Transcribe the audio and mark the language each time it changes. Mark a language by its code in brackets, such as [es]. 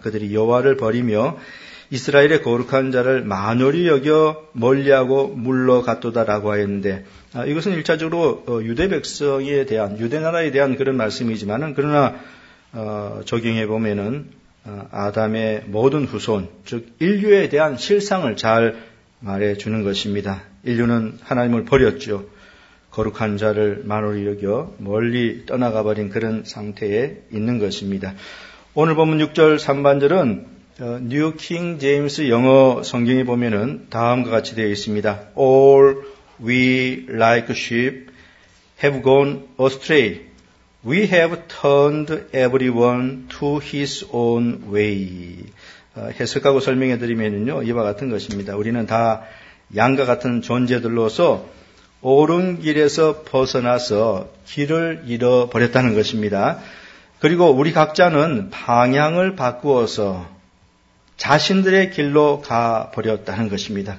[ko] 그들이 여호와를 버리며 이스라엘의 거룩한 자를 만홀히 여겨 멀리하고 물러갔도다라고 하였는데 이것은 1차적으로 유대 백성에 대한 유대 나라에 대한 그런 말씀이지만은 그러나 적용해 보면은 아담의 모든 후손 즉 인류에 대한 실상을 잘 말해주는 것입니다. 인류는 하나님을 버렸죠. 거룩한 자를 만홀히 여겨 멀리 떠나가 버린 그런 상태에 있는 것입니다. 오늘 보면 6절 상반절은 뉴 킹 제임스 영어 성경에 보면은 다음과 같이 되어 있습니다. [en] All we like sheep have gone astray. We have turned everyone to his own way. [ko] 해석하고 설명해 드리면요 이와 같은 것입니다. 우리는 다 양과 같은 존재들로서 옳은 길에서 벗어나서 길을 잃어버렸다는 것입니다. 그리고 우리 각자는 방향을 바꾸어서 자신들의 길로 가버렸다는 것입니다.